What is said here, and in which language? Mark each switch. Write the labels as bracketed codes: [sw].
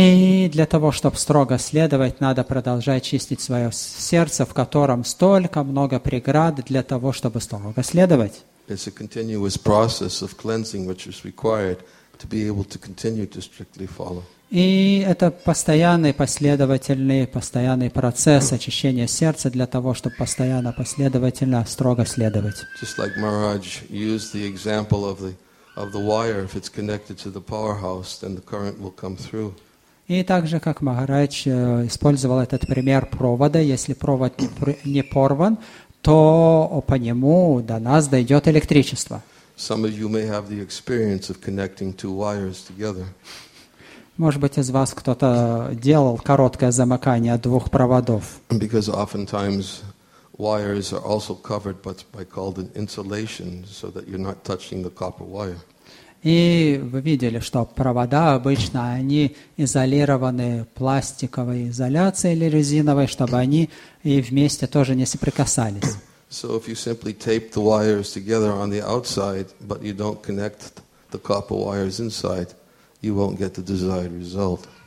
[ru] И для того, чтобы строго следовать, надо продолжать чистить свое сердце, в котором столько много преград для того, чтобы строго следовать. [en] It's a continuous process of cleansing which is required to be able to continue to strictly follow. [ru] И это постоянный, последовательный, постоянный процесс очищения сердца для того, чтобы постоянно, последовательно, строго следовать. [en] Just like Maharaj used the example of the wire, if it's connected to the powerhouse, then the current will come through. [ru] И также, как Махарадж использовал этот пример провода, если провод не порван, то по нему до нас дойдет электричество. [en] Some of you may have the experience of connecting two wires together. [ru] Может быть, из вас кто-то делал короткое замыкание двух проводов. [en] Because oftentimes wires are also covered by called an insulation, so that you're not touching the copper wire. [ru] И вы видели, что провода обычно они изолированы пластиковой изоляцией или резиновой, чтобы они и вместе тоже не соприкасались. [en] So if you simply tape the wires together on the outside, but you don't connect the copper wires inside, you won't get the desired result.